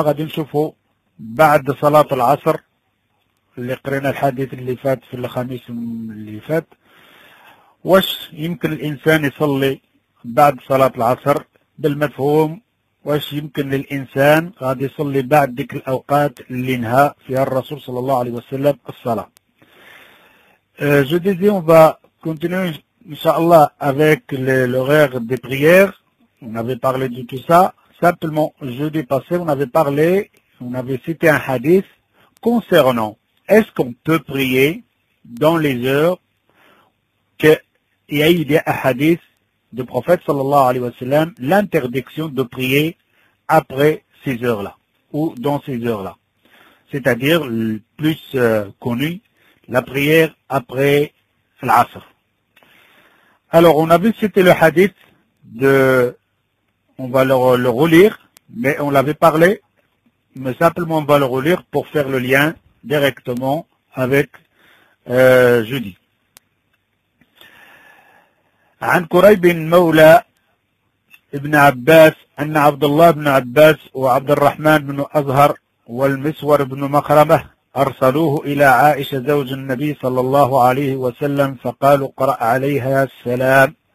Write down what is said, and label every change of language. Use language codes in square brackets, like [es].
[ar] غادي نشوفه بعد صلاة العصر اللي قرينا الحديث اللي فات في الخميس اللي فات، واش يمكن الإنسان يصلي بعد صلاة العصر بالمفهوم، واش يمكن للإنسان غادي يصلي بعد ديك الأوقات اللي نهى فيها الرسول صلى الله عليه وسلم الصلاة. [fr] جودي ديون با كونتينيو Inch'Allah, avec l'horaire des prières, on avait parlé de tout ça. Simplement, jeudi passé, on avait cité un hadith concernant est-ce qu'on peut prier dans les heures qu'il y a un hadith du prophète sallallahu alayhi wa sallam, l'interdiction de prier après ces heures-là, ou dans ces heures-là. C'est-à-dire, le plus connu, la prière après l'asr. Alors, on avait cité le hadith de, on va le relire, mais on l'avait parlé, mais simplement on va le relire pour faire le lien directement avec jeudi. [ar] عن كريب مولى ابن عباس أن عبد الله بن عباس وعبد الرحمن بن أزهر والمسور بن مخرمة أرسلوه إلى عائشة زوج النبي صلى الله عليه وسلم فقالوا اقرأ عليها السلام،